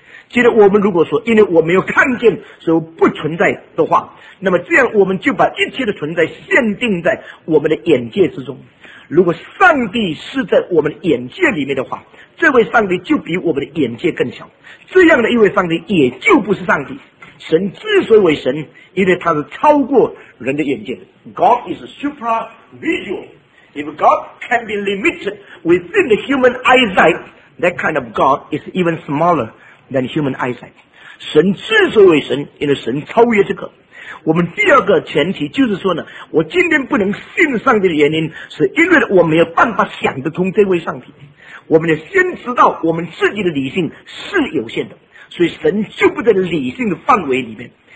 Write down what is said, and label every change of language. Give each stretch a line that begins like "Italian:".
Chinese: 接着我们如果说因为我没有看见所以不存在的话，那么这样我们就把一切的存在限定在我们的眼界之中，如果上帝是在我们眼界里面的话，这位上帝就比我们的眼界更小，这样的一位上帝也就不是上帝，神之所以为神因为他是超过人的眼界的。
English: God is supervisual. If God can be limited within the human eyesight, that kind of God is even smaller than human eyesight.
Chinese: 神之所以为神因为神超越这个。我们第二个前提就是说呢，我今天不能信上帝的原因是因为我没有办法想得通这位上帝，我们先知道我们自己的理性是有限的，所以神就不在理性的范围里面。